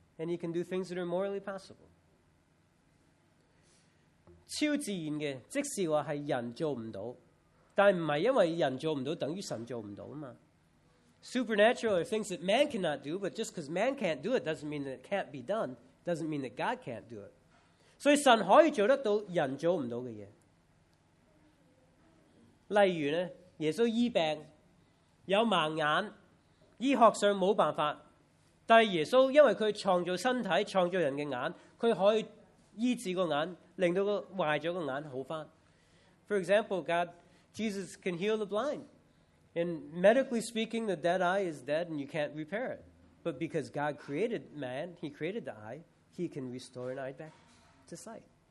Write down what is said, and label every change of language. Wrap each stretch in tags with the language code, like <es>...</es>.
<en>and He can do things that are morally possible.</en> <zh>超自然的,即是说是人做不到, 但不是因为人做不到等于神做不到嘛。</zh> <en>Supernatural are things that man cannot do, but just because man can't do it doesn't mean that it can't be done, doesn't mean that God can't do it.</en> <zh>So 神可以做得到人做不到的事。例如耶稣医病,有盲眼,医学上没办法,但耶稣因为他创造身体,创造人的眼,他可以医治个眼,令到坏了个眼好翻。</zh> <en>For example, God, Jesus can heal the blind. And medically speaking, the dead eye is dead and you can't repair it. But because God created man, he created the eye, he can restore an eye back to sight.</en>